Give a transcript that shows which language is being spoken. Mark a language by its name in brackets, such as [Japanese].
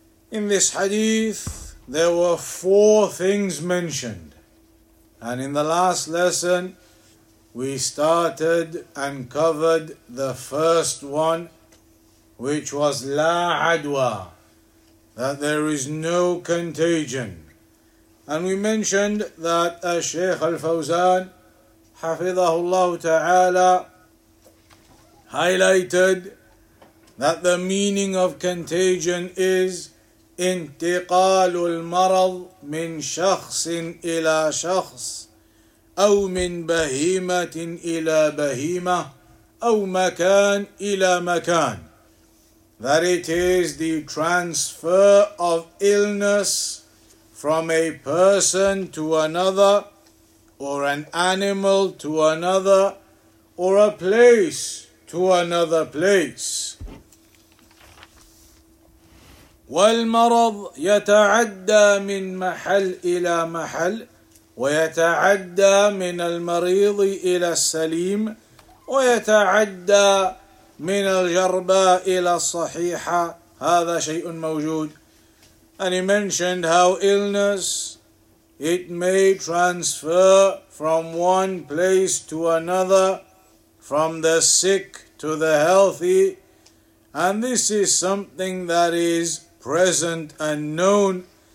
[English] In this hadith there were four things mentioned. And in the last lesson, we started and covered the first one, which was La Adwa, that there is no contagion. And we mentioned that Shaykh Al-Fawzan, Hafidhahullah Ta'ala, highlighted that the meaning of contagion is [Arabic] انتقال المرض من شخص إلى شخص أو من بهيمة إلى بهيمة أو مكان إلى مكان. [English] That it is the transfer of illness from a person to another, or an animal to another, or a place to another place. [Arabic] والمرض يتعدى من محل إلى محل ويتعدى من المريض إلى السليم ويتعدى من الجرباء إلى الصحيحة. هذا شيء موجود. [English] And he mentioned how illness, it may transfer from one place to another, from the sick to the healthy. And this is something that is present and known.